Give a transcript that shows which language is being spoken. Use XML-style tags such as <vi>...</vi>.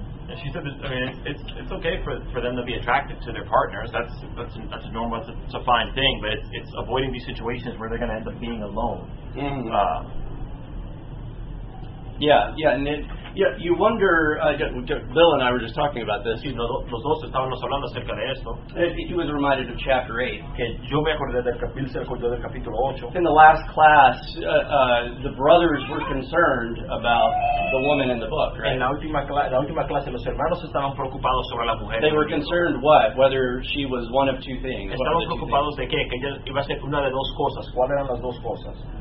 <en>She said, I mean, it's okay for them to be attracted to their partners. That's a normal, it's a fine thing. But it's avoiding these situations where they're going to end up being alone. Mm. And it, you wonder. Bill and I were just talking about this.</en> <es>Los dos estábamos hablando acerca de esto.</es> <en>He was reminded of chapter 8.</en> <es>Que yo me acordé del capítulo 8.</es> <en>In the last class, the brothers were concerned about the woman in the book. Right?</en> <es>En la última clase, los hermanos estaban preocupados sobre la mujer.</es> <en>They were concerned what? Whether she was one of two things.</en> <es>Estaban preocupados de qué? Que ella iba a ser una de dos cosas. ¿Cuáles eran las dos cosas?</es>